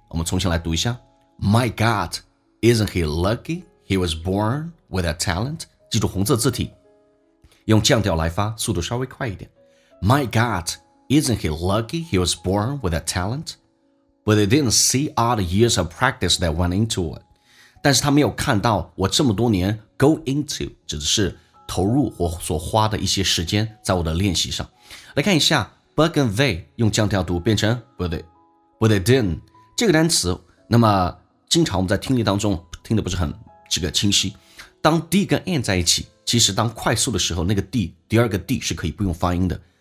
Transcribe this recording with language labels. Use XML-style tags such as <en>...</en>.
<zh>我们重新来读一下</zh> <en>My God, isn't he lucky he was born with a talent?</en> <zh>记住红色字体用降调来发，速度稍微快一点。</zh> <en>My God, isn't he lucky he was born with a talent? But he didn't see all the years of practice that went into it.</en> <zh>但是他没有看到我这么多年 go into, 指的是投入我所花的一些时间在我的练习上。来看一下 but and they, 用降调读变成</zh> <en>but it didn't.</en> <zh>这个单词，那么经常我们在听力当中听的不是很这个清晰。当 d 跟 n 在一起，其实当快速的时候，那个 d, 第二个 d 是可以不用发音的。</zh>